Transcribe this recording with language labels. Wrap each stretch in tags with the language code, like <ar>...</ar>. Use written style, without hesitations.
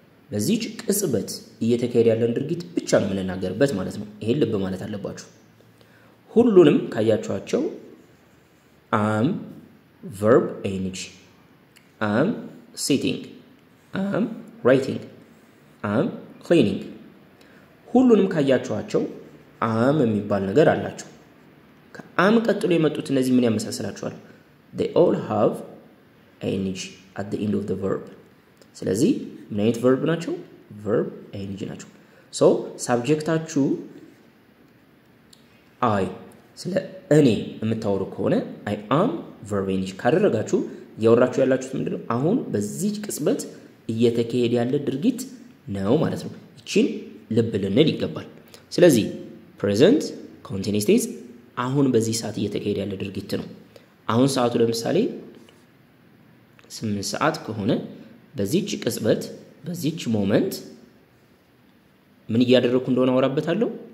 <am>በዚህ ቅጽበት እየተካሄደ ያለን ድርጊት ብቻ ነው የምንናገርበት ማለት ነው። ይሄን ልብ ማለት አለባችሁ። ሁሉንም ካያችኋቸው</am> <en>am verb ing am sitting am writing am cleaning</en> <am>ሁሉንም ካያችኋቸው አም የሚባል ነገር አላችሁ። ከአም ቀጥሎ የመጡት እነዚህ ምን ያመሳስላችኋል?</am> <en>They all have ing at the end of the verb.</en> <am>ስለዚህ ምን አይነት verb ናቸው? Verb ing ናቸው። So subjectታችሁ I ስለ እኔ የምታወሩ ከሆነ</am> <en>I am verb ing</en> <am>ካደረጋችሁ ያወራችሁ ያላችሁት ምንድን ነው? አሁን በዚህ ቅጽበት እየተካሄደ ያለ ድርጊት ነው ማለት ነው። እቺን ልብ ልንል ይገባል። ስለዚህ present continuous tense አሁን በዚህ ሰዓት እየተካሄደ ያለ ድርጊት ነው። አሁን ሰዓቱ ለምሳሌ 8 ሰዓት ከሆነ በዚህች ቅጽበት በዚህች moment ምን እያደረኩ እንደሆነ አወራበታለሁ?</am>